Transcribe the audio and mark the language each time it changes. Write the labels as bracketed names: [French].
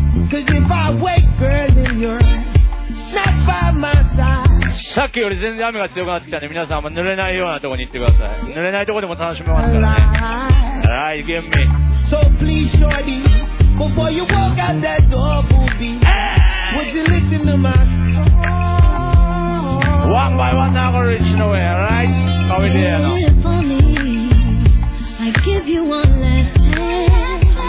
[English] Cause if I wake, girl, then you're not by my side. [Japanese] さっきより全然雨が強くなってきたんで、皆さんも濡れないようなところに行ってください。濡れないところでも楽しめますからね。 [English] Alright, give me. So please, shorty, before you walk out that door, booby, would you listen to my song? One by one, now we're reaching away, alright? Come in here now. I give you one last chance.